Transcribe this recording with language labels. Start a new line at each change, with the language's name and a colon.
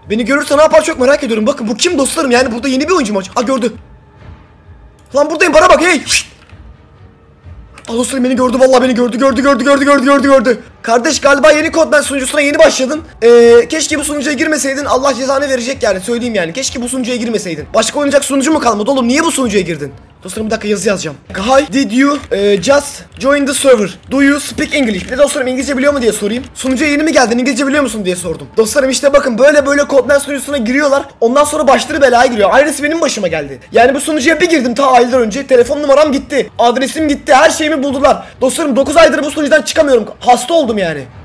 Turkish: Beni görürse ne yapar çok merak ediyorum. Bakın bu kim dostlarım? Yani burada yeni bir oyuncu mu? Aa gördü. Lan buradayım, bana bak hey. Aa dostlarım beni gördü, vallahi beni gördü. Kardeş galiba yeni Codman sunucusuna yeni başladın. Keşke bu sunucuya girmeseydin. Allah cezanı verecek yani, söyleyeyim yani. Keşke bu sunucuya girmeseydin. Başka oynayacak sunucu mu kalmadı oğlum? Niye bu sunucuya girdin? Dostlarım bir dakika, yazı yazacağım.
English: Hi, did you just join the server? Do you speak English?
Turkish: Bir de dostlarım İngilizce biliyor mu diye sorayım. Sunucuya yeni mi geldin? İngilizce biliyor musun diye sordum. Dostlarım işte bakın, böyle Codman sunucusuna giriyorlar. Ondan sonra başları belaya giriyor. Aynısı benim başıma geldi. Yani bu sunucuya bir girdim ta aylar önce. Telefon numaram gitti. Adresim gitti. Her şeyimi buldular. Dostlarım 9 aydır bu sunucudan çıkamıyorum. Hasta oldum yani.